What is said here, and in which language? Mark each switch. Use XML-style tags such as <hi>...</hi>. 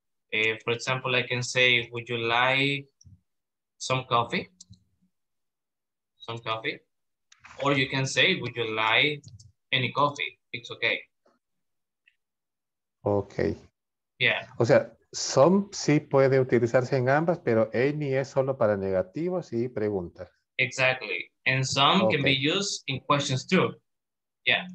<en>For example, I can say, would you like some coffee? Some coffee? Or you can say, would you like any coffee? It's okay. Okay. Yeah.</en> <es>O sea, some sí puede utilizarse en ambas, pero any es solo para negativos y preguntas.</es> <en>Exactly. And some can be used in questions too. Yeah.</en>